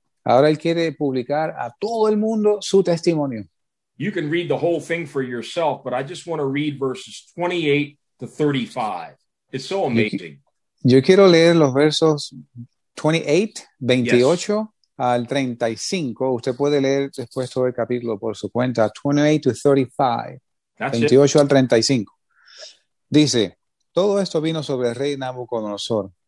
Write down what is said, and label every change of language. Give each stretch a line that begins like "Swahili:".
Spanish: Ahora él quiere publicar a todo el mundo su testimonio.
English: You can read the whole thing for yourself, but I just want to read verses 28 to 35. It's so amazing.
Spanish: Yo quiero leer los versos 28
English: yes.
Spanish: al 35. Usted puede leer después todo el capítulo por su cuenta.
English: 28 to 35. That's 28 it.
Spanish: Al 35. Dice, todo esto vino sobre el rey Nabucodonosor.